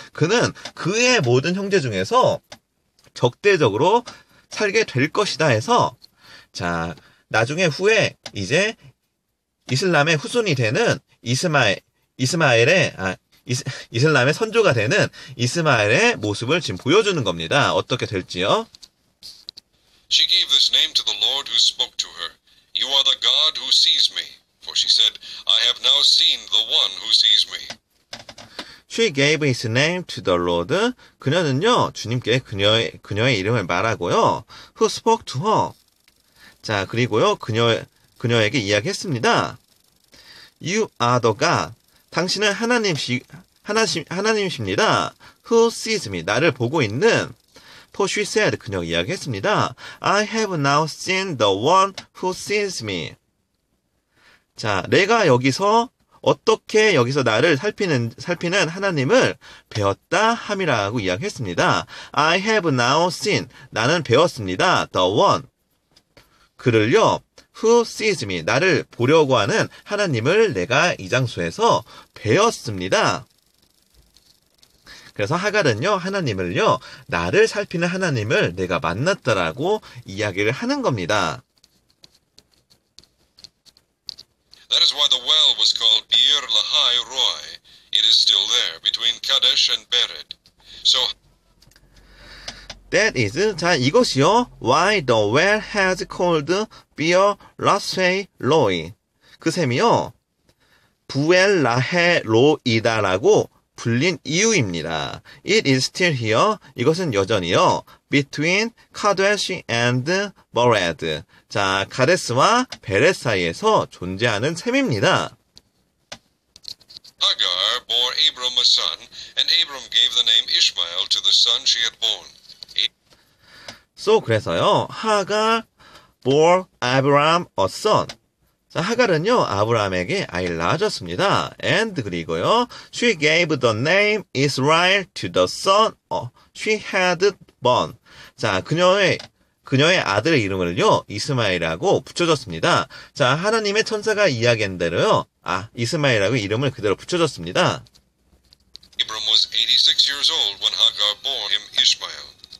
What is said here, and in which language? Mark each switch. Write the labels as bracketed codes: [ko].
[ko] 그는 그의 모든 형제 중에서 적대적으로 살게 될 것이다 해서, 자, 나중에 후에 이제 이슬람의 후손이 되는 이슬람의 선조가 되는 이스마엘의 모습을 지금 보여주는 겁니다. 어떻게 될지요? [en] She gave this name to the Lord who spoke to her. You are the God who sees me. For she said, I have now seen the one who sees me. She gave his name to the Lord. [ko] 그녀는요, 주님께 그녀의 이름을 말하고요. [en] Who spoke to her? [ko] 자, 그리고요, 그녀에게 이야기했습니다. [en] You are the God. [ko] 당신은 하나님이십니다. [en] Who sees me? [ko] 나를 보고 있는. [en] For she said, [ko] 그녀가 이야기했습니다. [en] I have now seen the one who sees me. [ko] 자, 내가 여기서 어떻게 여기서 나를 살피는 하나님을 배웠다 함이라고 이야기했습니다. [en] I have now seen, [ko] 나는 배웠습니다. [en] The one, [ko] 그를요, [en] who sees me, [ko] 나를 보려고 하는 하나님을 내가 이 장소에서 배웠습니다. 그래서 하갈은요, 하나님을요, 나를 살피는 하나님을 내가 만났다라고 이야기를 하는 겁니다. [en] That is why the well was called Beer Lahai Roy. It is still there between Kadesh and Bered. So that is, [ko] 자, 이것이요, [en] why the well has called Beer Lahai Roy. [ko] 그 셈이요, 부엘 라헤 로이다라고 불린 이유입니다. [en] It is still here. [ko] 이것은 여전히요, [en] between Kadesh and Bered. [ko] 자, 가데스와 베렛 사이에서 존재하는 셈입니다. [en] Hagar bore Abram a son, and Abram gave the name Ishmael to the son she had born. So, [ko] 그래서요, [en] Hagar bore Abram a son. [ko] 자, 하갈은요, 아브라함에게 아이를 낳아줬습니다. [en] And [ko] 그리고요, [en] she gave the name Israel to the son she had born. [ko] 자, 그녀의 아들의 이름을요, 이스마엘이라고 붙여줬습니다. 자, 하나님의 천사가 이야기한 대로요, 아, 이스마엘이라고 이름을 그대로 붙여줬습니다. [en] Abram was 86 years old when Hagar bore him Ishmael.